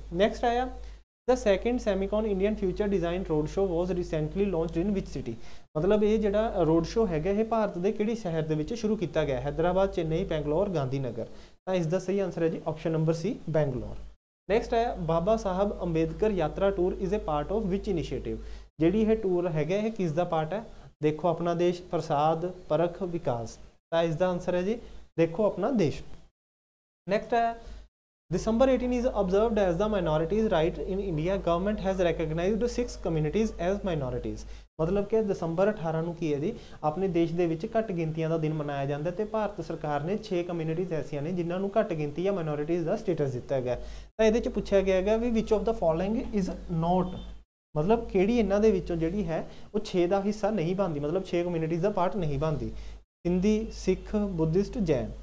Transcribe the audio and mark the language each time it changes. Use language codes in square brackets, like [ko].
[pa] Next ਆਇਆ [en] the second semicon Indian future design road show was recently launched in ਵਿਚ city, [pa] ਮਤਲਬ ਇਹ ਜਿਹੜਾ ਰੋਡ ਸ਼ੋਅ ਹੈਗਾ ਇਹ ਭਾਰਤ ਦੇ ਕਿਹੜੀ ਸ਼ਹਿਰ ਦੇ ਵਿੱਚ ਸ਼ੁਰੂ ਕੀਤਾ ਗਿਆ, ਹੈਦਰਾਬਾਦ, ਚੇਨਈ, ਬੈਂਗਲੌਰ, ਗਾਂਧੀਨਗਰ। ਤਾਂ ਇਸਦਾ ਸਹੀ ਆਂਸਰ ਹੈ ਜੀ ਆਪਸ਼ਨ ਨੰਬਰ ਸੀ, ਬੈਂਗਲੌਰ। ਨੈਕਸਟ ਹੈ ਬਾਬਾ ਸਾਹਿਬ ਅੰਬੇਦਕਰ ਯਾਤਰਾ [en] tour is a part of ਵਿਚ initiative, [pa] ਜਿਹੜੀ ਇਹ ਟੂਰ ਹੈਗਾ ਇਹ ਕਿਸ ਦਾ ਪਾਰਟ ਹੈ, ਦੇਖੋ ਆਪਣਾ ਦੇਸ਼, ਪ੍ਰਸਾਦ, ਪਰਖ, ਵਿਕਾਸ। ਤਾਂ ਇਸਦਾ ਆਂਸਰ ਹੈ ਜੀ ਦੇਖੋ ਆਪਣਾ ਦੇਸ਼। ਨੈਕਸਟ ਹੈ [en] December 18 is observed as the minorities right in India. Government has recognized 6 communities as minorities. [pa] ਮਤਲਬ ਕਿ December 18 ਨੂੰ ਕੀ ਹੈ ਜੀ ਆਪਣੇ ਦੇਸ਼ ਦੇ ਵਿੱਚ ਘੱਟ ਗਿਣਤੀਆਂ ਦਾ ਦਿਨ ਮਨਾਇਆ ਜਾਂਦਾ, ਅਤੇ ਭਾਰਤ ਸਰਕਾਰ ਨੇ 6 ਕਮਿਊਨਿਟੀਜ਼ ਐਸੀਆਂ ਨੇ ਜਿਨ੍ਹਾਂ ਨੂੰ ਘੱਟ ਗਿਣਤੀ ਜਾਂ ਮਾਇਨੋਰਿਟੀਜ਼ ਦਾ ਸਟੇਟਸ ਦਿੱਤਾ ਗਿਆ। ਤਾਂ ਇਹਦੇ 'ਚ ਪੁੱਛਿਆ ਗਿਆ ਹੈਗਾ ਵੀ [en] ਵਿਚ of the following is not, [pa] ਮਤਲਬ ਕਿਹੜੀ ਇਹਨਾਂ ਦੇ ਵਿੱਚੋਂ ਜਿਹੜੀ ਹੈ ਉਹ 6 ਦਾ ਹਿੱਸਾ ਨਹੀਂ ਬਣਦੀ, ਮਤਲਬ 6 ਕਮਿਊਨਿਟੀਜ਼ ਦਾ ਪਾਰਟ ਨਹੀਂ ਬਣਦੀ, ਹਿੰਦੀ, ਸਿੱਖ, ਬੁੱਧਿਸਟ, ਜੈਨ।